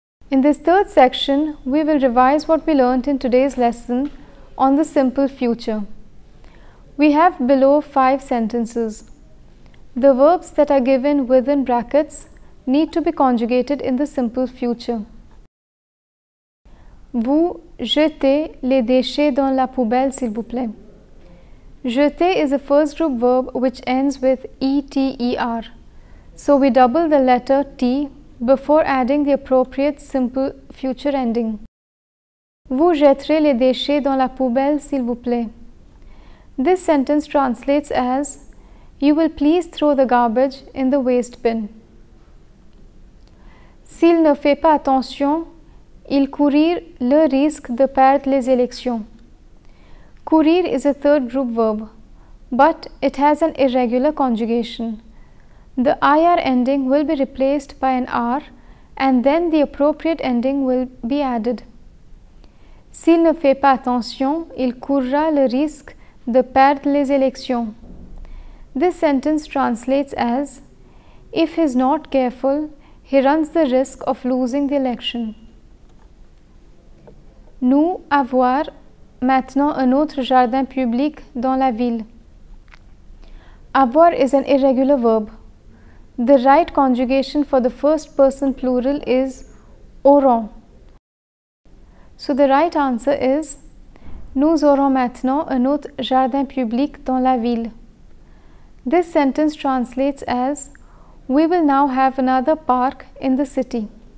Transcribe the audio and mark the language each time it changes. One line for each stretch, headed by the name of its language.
English: In this third section, we will revise what we learnt in today's lesson on the simple future. We have below five sentences. The verbs that are given within brackets need to be conjugated in the simple future.
French: Vous jetez les déchets dans la poubelle, s'il vous plaît.
English: Jeter is a first group verb which ends with E-T-E-R. So we double the letter T before adding the appropriate simple future ending.
French: Vous jetterez les déchets dans la poubelle, s'il vous plaît.
English: This sentence translates as, you will please throw the garbage in the waste bin.
French: S'il ne fait pas attention, il courir le risque de perdre les élections.
English: Courir is a third group verb, but it has an irregular conjugation. The IR ending will be replaced by an R and then the appropriate ending will be added.
French: S'il ne fait pas attention, il courra le risque de perdre les élections.
English: This sentence translates as, if he is not careful, he runs the risk of losing the election.
French: Nous avoir maintenant un autre jardin public dans la ville.
English: Avoir is an irregular verb. The right conjugation for the first person plural is auront. So the right answer is,
French: nous aurons maintenant un autre jardin public dans la ville.
English: This sentence translates as, we will now have another park in the city.